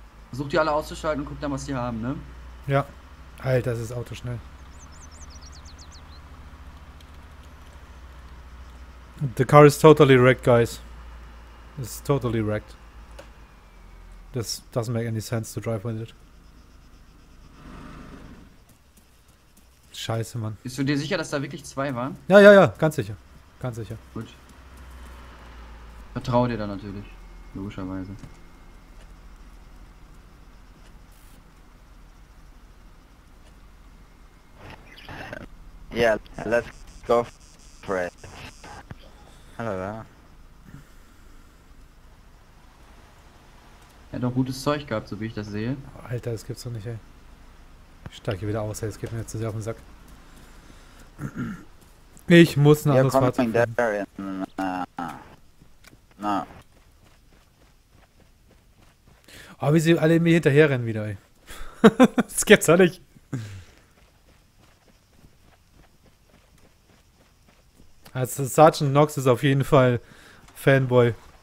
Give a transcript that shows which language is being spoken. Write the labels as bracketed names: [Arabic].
[German] Versuch die alle auszuschalten und guck dann, was die haben, ne? Ja. Alter, das ist Auto schnell. [English] The car is totally wrecked, guys. It's totally wrecked. This doesn't make any sense to drive with it. [German] Scheiße, Mann. Bist du dir sicher, dass da wirklich zwei waren? Ja, ganz sicher. Ganz sicher. Gut. Vertraue dir da natürlich. Logischerweise. [English] Yeah, let's go for it. [German] Hallo da. Er hat auch gutes Zeug gehabt, so wie ich das sehe. Alter, das gibt's doch nicht, ey. Ich steige hier wieder aus, ey. Das geht mir jetzt zu sehr auf den Sack. Ich muss ein anderes Fahrzeug finden. [English] You're coming there in, no. [German] Oh, wie sie alle mir hinterher rennen wieder, ey. Das gibt's doch nicht. Also Sergeant Knox ist auf jeden Fall Fanboy.